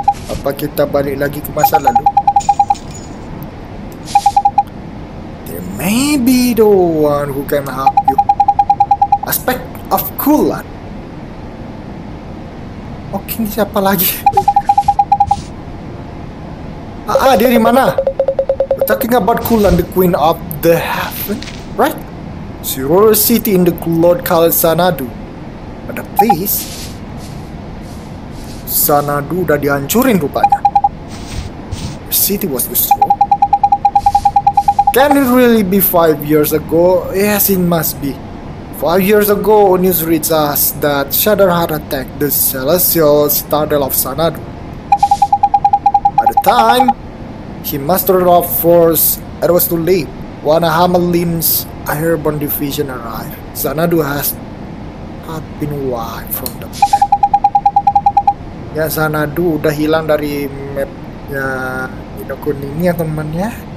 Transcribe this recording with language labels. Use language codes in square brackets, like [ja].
[id] Apa kita balik lagi ke masa lalu? [en] There may be the one who can help you. Aspect of Kulan. [id] Oke, ini siapa lagi? Dia di mana? [en] We're talking about Kulan, the Queen of the Heaven, right? Zero City in the Lord Kali Xanadu. But please, Xanadu [id] udah dihancurin rupanya. [en] The city was destroyed. Can it really be 5 years ago? Yes, it must be. 5 years ago, news reached us that Shatterheart attacked the celestial citadel of Xanadu. By the time he mustered up force, it was too late. When Hamelin's airborne division arrived, Xanadu had been wiped from the map. [id] Ya, Xanadu udah hilang dari mapnya Inokuni ini ya temannya.